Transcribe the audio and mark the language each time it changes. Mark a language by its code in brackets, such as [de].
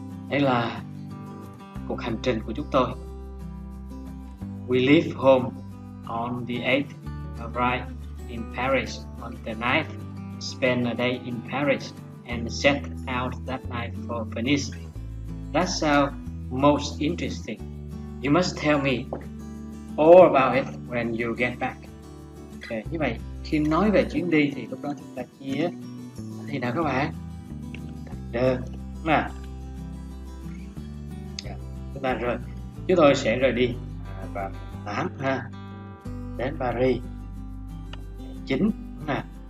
[vi] Đây là cuộc hành trình của chúng tôi. [en] We leave home on the 8th, arrive in Paris on the 9th, spend a day in Paris and set out that night for Venice. That sounds most interesting. You must tell me all about it when you get back. [vi] Okay, như vậy, khi nói về chuyến đi thì lúc đó chúng ta chia thì nào các bạn? Được, mà chúng ta rời, chúng tôi sẽ rời đi vào 8 ha, đến Paris 9 nè.